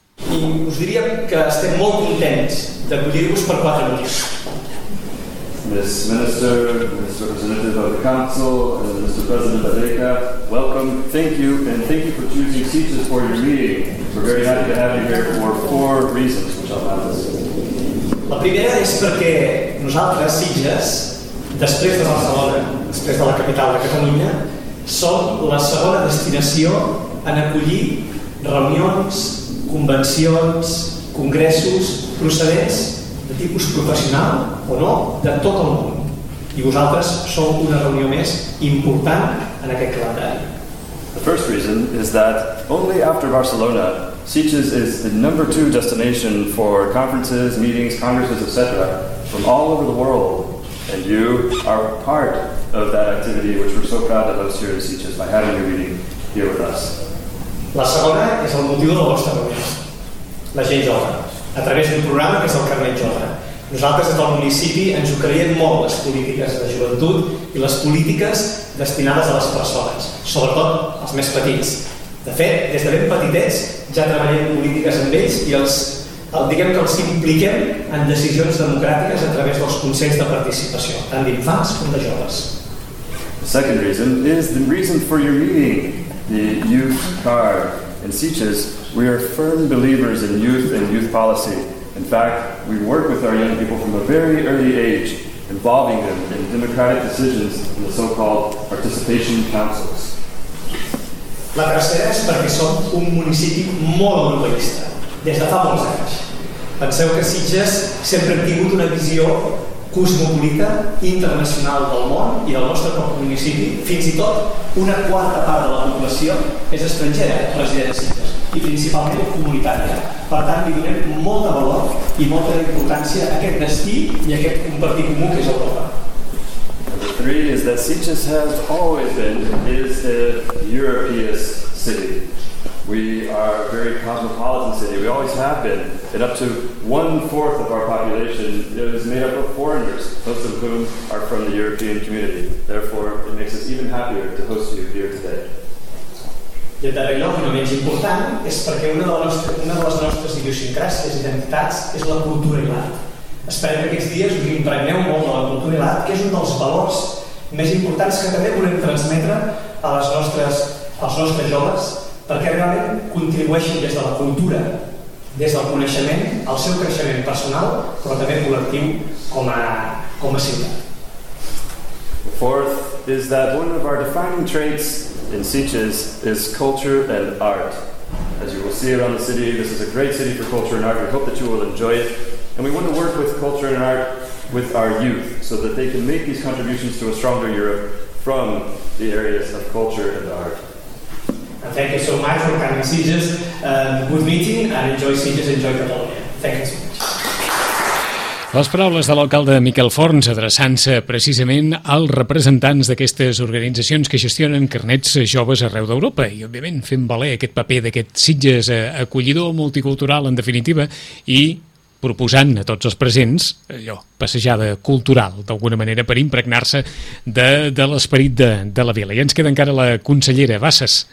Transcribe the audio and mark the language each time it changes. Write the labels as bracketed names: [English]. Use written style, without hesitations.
[Catalan] I us diria que estem molt contents d'acollir-vos per 4 minuts. [English] Ms. Minister, Ms. Representative of the Council, and Mr. President of EICA, welcome, thank you, and thank you for choosing Sitges for your meeting. We're very happy to have you here for 4 reasons, which I'll have this. [Catalan] La primera és perquè nosaltres, Sitges, després de Barcelona, després de la capital de Catalunya, som la segona destinació en acollir reunions, convencions, congressos procedents de tipus professional o no, de tot el món. I vosaltres sou una reunió més important en aquest calendari. [English] The first reason is that only after Barcelona, Sitges is the number two destination for conferences, meetings, congresses, etc. from all over the world. And you are part of that activity, which we're so proud to host here in Sitges by having your meeting here with us. [Catalan] La segona és el motiu de la vostra reunió, la gent jove, a través d'un programa que és el Carnet Jove. Nosaltres, des del municipi, ens ho creiem molt, les polítiques de joventut i les polítiques destinades a les persones, sobretot als més petits. De fet, des de ben petitets ja treballem polítiques amb ells i diguem que els impliquem en decisions democràtiques a través dels consells de participació, tant d'infants com de joves. [English] The second reason is the reason for your meeting, the youth card. In Sitges, we are firm believers in youth and youth policy. In fact, we work with our young people from a very early age, involving them in democratic decisions in the so-called participation councils. [Catalan] La tercera és perquè som un municipi molt europeista, des de fa molts anys. Penseu que Sitges sempre ha tingut una visió cosmopolita, internacional del món i del nostre propi municipi. Fins i tot, una quarta part de la població és estrangera, resident a Sitges, i principalment comunitària. Per tant, li donem molt de valor i molta importància a aquest destí i a aquest compartir comú que és Europa. [English] Number three is that Sitges has always been a European city. We are a very cosmopolitan city. We always have been. And up to one-fourth of our population is made up of foreigners, most of whom are from the European community. Therefore, it makes us even happier to host you here today. [Catalan] I el darrer lloc, no menys important, és perquè una de les nostres idiosincràcies, identitats, és la cultura i l'art. Esperem que aquests dies us impregneu molt de la cultura i l'art, que és un dels valors més importants que també volem transmetre als nostres joves, perquè realment contribueixin des de la cultura, des del coneixement, al seu creixement personal, però també col·lectiu com a ciutat. [English] The fourth is that one of our defining traits in Sitges is culture and art. As you will see around the city, this is a great city for culture and art. We hope that you will enjoy it. And we want to work with culture and art with our youth so that they can make these contributions to a stronger Europe from the areas of culture and art. Thank you so much for coming to Sitges. Good meeting and enjoy Sitges, enjoy Catalonia. Thank you so much. [Catalan] Les paraules de l'alcalde Miquel Forns adreçant-se precisament als representants d'aquestes organitzacions que gestionen carnets joves arreu d'Europa i, òbviament, fent valer aquest paper d'aquest Sitges acollidor multicultural, en definitiva, i proposant a tots els presents allò, passejada cultural, d'alguna manera, per impregnar-se de l'esperit de la vila. I ens queda encara la consellera Bassas.